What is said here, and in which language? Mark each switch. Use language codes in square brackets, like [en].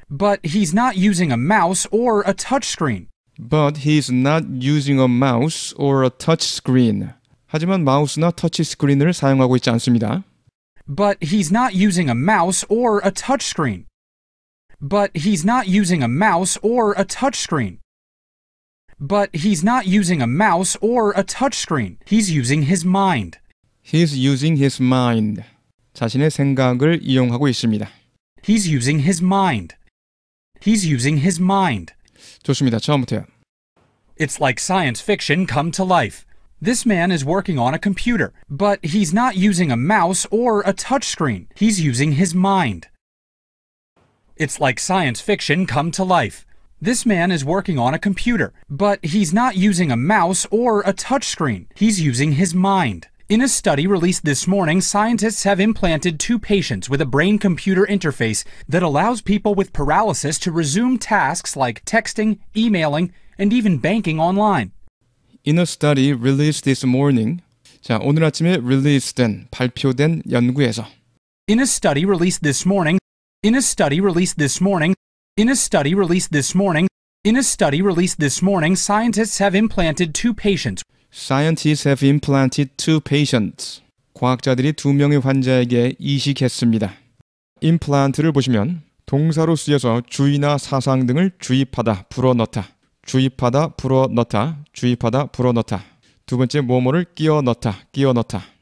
[en] But he's not using a mouse or a touchscreen. But he's not using a mouse or a touchscreen. [ko] 하지만 마우스나 터치스크린을 사용하고 있지 않습니다. [en] But he's not using a mouse or a touchscreen. But he's not using a mouse or a touchscreen. But he's not using a mouse or a touchscreen. He's using his mind. He's using his mind. [ko] 자신의 생각을 이용하고 있습니다. [en] He's using his mind. He's using his mind. [ko] 좋습니다. 처음부터요. [en] It's like science fiction come to life. This man is working on a computer, but he's not using a mouse or a touchscreen. He's using his mind. It's like science fiction come to life. This man is working on a computer, but he's not using a mouse or a touchscreen. He's using his mind. In a study released this morning, scientists have implanted two patients with a brain-computer interface that allows people with paralysis to resume tasks like texting, emailing, and even banking online. In a study released this morning, [ko] 자, 오늘 아침에 released된, 발표된 연구에서. [en] In a study released this morning, in a study released this morning, in a study released this morning, in a study released this morning, scientists have implanted two patients. Scientists have implanted two patients. [ko] 과학자들이 두 명의 환자에게 이식했습니다. Implant를 보시면 동사로 쓰여서 주의나 사상 등을 주입하다, 불어넣다. 주입하다, 불어넣다. 주입하다, 불어넣다. 두 번째 뭐뭐를 끼워넣다, 끼워넣다.